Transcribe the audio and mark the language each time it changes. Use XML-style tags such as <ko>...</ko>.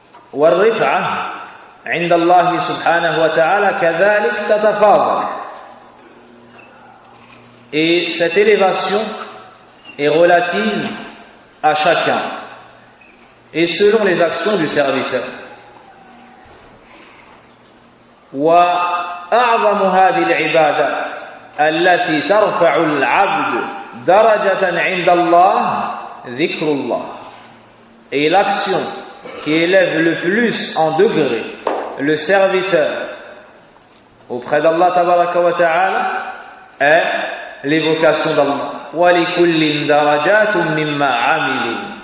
<ar>وَالْرِفْعَةِ عِنْدَ اللَّهِ سُبْحَانَهُ وَتَعَالَى كَذَلِكَ تَتَفَاضَلَ.</ar> <fr>Et cette élévation est relative à chacun et selon les actions du serviteur.</fr> <ar>وأعظم هذه العبادات التي ترفع العبد درجة عند الله ذكر الله.</ar> <fr>Et l'action qui élève le plus en degré le serviteur auprès d'Allah تبارك وتعالى est l'évocation d'Allah.</fr> <ar>ولكل درجات مما عملوا.</ar>